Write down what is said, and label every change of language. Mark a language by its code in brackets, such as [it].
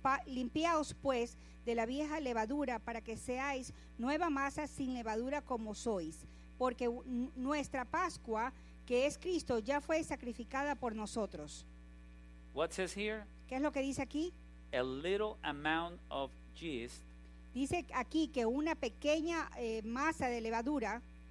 [es] Limpiaos pues de la vieja levadura para que seáis nueva masa sin levadura como sois, porque nuestra Pascua, que es Cristo, ya fue sacrificada por nosotros. [en] What says here? [es] ¿Qué es lo que dice aquí? [en] A little amount of yeast. [es] Dice aquí que una pequeña masa de levadura.